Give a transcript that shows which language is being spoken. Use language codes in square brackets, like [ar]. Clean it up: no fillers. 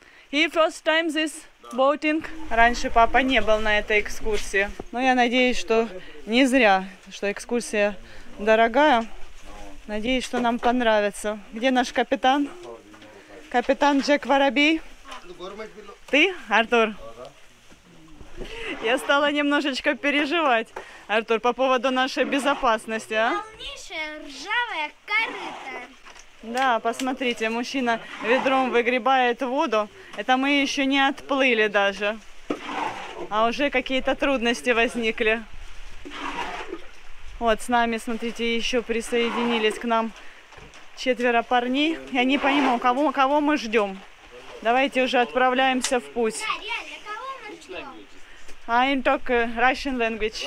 [ru] И [en] first time this boating. [ru] Раньше папа не был на этой экскурсии. Но я надеюсь, что не зря, что экскурсия дорогая. Надеюсь, что нам понравится. Где наш капитан? Капитан Джек Воробей. Ты, Артур? Я стала немножечко переживать, Артур, по поводу нашей безопасности, а? Полнейшая ржавая корыта. Да, посмотрите, мужчина ведром выгребает воду. Это мы еще не отплыли даже. А уже какие-то трудности возникли. Вот с нами, смотрите, еще присоединились к нам четверо парней. Я не пойму, кого мы ждем. Давайте уже отправляемся в путь. Да, реально, кого мы ждем? [en] I talk Russian language.